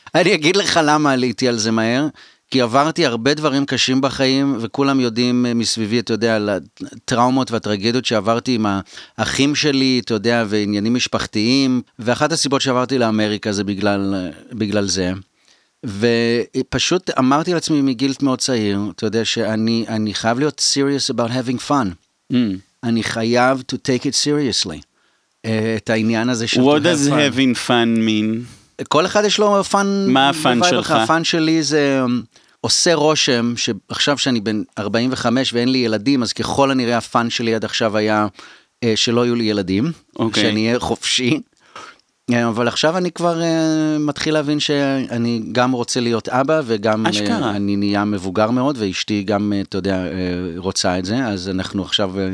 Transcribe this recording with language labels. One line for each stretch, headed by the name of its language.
Hebrew: אני אגיד לך למה עליתי על זה מהר. כי עברתי הרבה דברים קשים בחיים, וכולם יודעים מסביבי, אתה יודע, על הטראומות והטרגדיות שעברתי עם האחים שלי, אתה יודע, ועניינים משפחתיים, ואחת הסיבות שעברתי לאמריקה זה בגלל זה. ופשוט אמרתי לעצמי מגיל מאוד צעיר, אתה יודע, שאני חייב להיות
English: serious about having fun.
Hebrew: אני חייב
English: to take it seriously.
Hebrew: את העניין הזה של...
English: What does having fun mean?
Hebrew: כל אחד יש לו פן... מה הפן שלך? הפן שלי זה עושה רושם, שעכשיו שאני בן 45 ואין לי ילדים, אז ככל הנראה הפן שלי עד עכשיו היה שלא יהיו לי ילדים. אוקיי. שאני אהיה חופשי. אבל עכשיו אני כבר מתחיל להבין שאני גם רוצה להיות אבא, וגם אני נהיה מבוגר מאוד, ואשתי גם, אתה יודע, רוצה את זה, אז אנחנו עכשיו...